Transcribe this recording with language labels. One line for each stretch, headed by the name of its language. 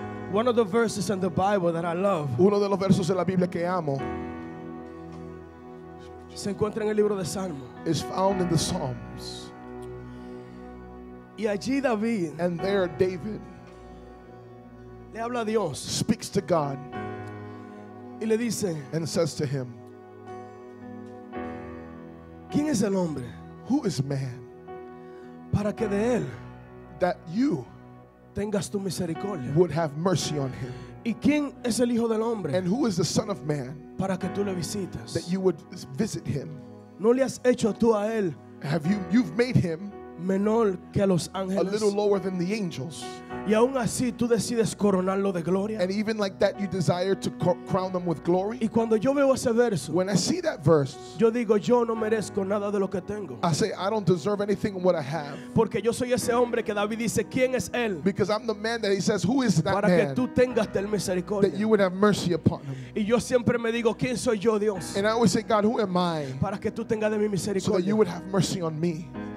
English: One of the verses in the Bible that I love.
Spanish: Uno de los versos de la Biblia que amo. Se encuentra en el libro de Salmos.
English: Is found in the Psalms.
Spanish: Y allí David.
English: And there David.
Spanish: Le habla a Dios.
English: Speaks to God.
Spanish: Y le dice,
English: and says to him,
Spanish: ¿quién es el hombre?
English: Who is man?
Spanish: Para que de él,
English: that you
Spanish: tengas tu misericordia,
English: would have mercy on him.
Spanish: ¿Y quién es el hijo del hombre?
English: And who is the son of man?
Spanish: Para que tú le visites,
English: that you would visit him.
Spanish: ¿No le has hecho tú a él?
English: Have you, you've made him
Spanish: menor que los ángeles,
English: a little lower than the angels.
Spanish: Y aún así, tú decides coronarlo de gloria.
English: And even like that, you desire to crown them with glory.
Spanish: Y cuando yo veo ese verso,
English: when I see that verse,
Spanish: yo digo, yo no merezco nada de lo que tengo.
English: I say, I don't deserve anything of what I have.
Spanish: Porque yo soy ese hombre que David dice, ¿quién es él?
English: Because I'm the man that he says, who is that
Spanish: para
English: man?
Spanish: Que tú tengas del misericordia.
English: That you would have mercy upon him.
Spanish: Y yo siempre me digo, ¿quién soy yo, Dios?
English: And I always say, God, who am I?
Spanish: Para que tú tengas de mi misericordia.
English: So that you would have mercy on me.